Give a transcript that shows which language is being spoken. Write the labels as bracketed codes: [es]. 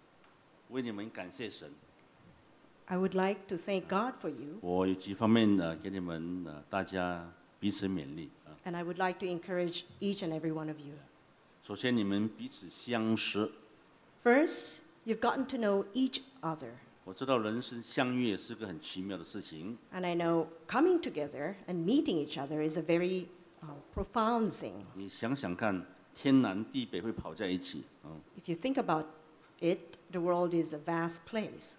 [zh] 我们知道我为你们感谢神。 [en] I would like to thank God for you. [zh] 我有几方面给你们大家彼此勉励。 [en] And I would like to encourage each and every one of you. [zh] 首先你们彼此相识。 [en] First, you've gotten to know each other. [zh] 我知道人生相遇是个很奇妙的事情。 [en] And I know coming together and meeting each other is a very profound thing. [zh] 你想想看。天南地北会跑在一起, [en] if you think about it, the world is a vast place.